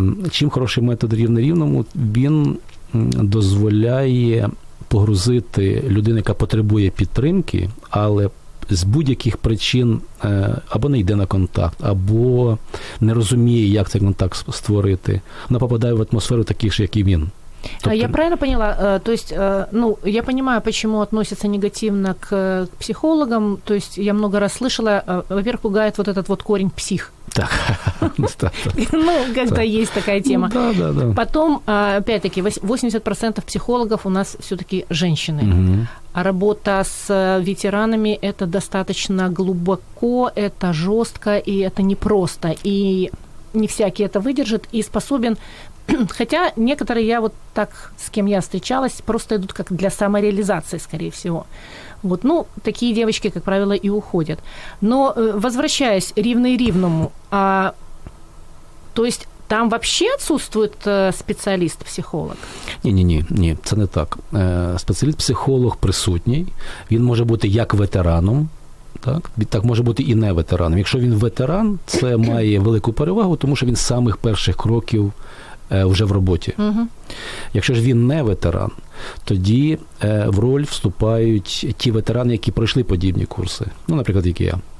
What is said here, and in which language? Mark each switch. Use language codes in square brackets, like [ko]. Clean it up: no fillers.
[uk] Чим хороший метод рівне-рівному? Він дозволяє погрузити людину, яка потребує підтримки, але з будь-яких причин або не йде на контакт, або не розуміє, як цей контакт створити. Вона попадає в атмосферу таких ж, як і він. Тобто... Я правильно поняла? [ru] То есть, ну, я понимаю, почему относятся негативно к психологам. То есть, я много раз слышала, во-первых, пугает вот этот вот корень псих. Так. Ну, когда есть такая тема. Да, да, да. Потом, опять-таки, 80% психологов у нас все-таки женщины. А работа с ветеранами – это достаточно глубоко, это жестко и это непросто. И не всякий это выдержит и способен... Хотя некоторые, я вот так, с кем я встречалась, просто идут как для самореализации, скорее всего. Вот, ну, такие девочки, как правило, и уходят. Но, возвращаясь ревно и ревному, то есть там вообще отсутствует специалист-психолог? [uk] Ні, це не так. Специалист-психолог присутній, він може бути як ветераном. Так? Так може бути і не ветераном. Якщо він ветеран, це має велику перевагу, тому що він з самих перших кроків вже в роботі. Якщо ж він не ветеран, тоді в роль вступають ті ветерани, які пройшли подібні курси. Ну, наприклад, як я.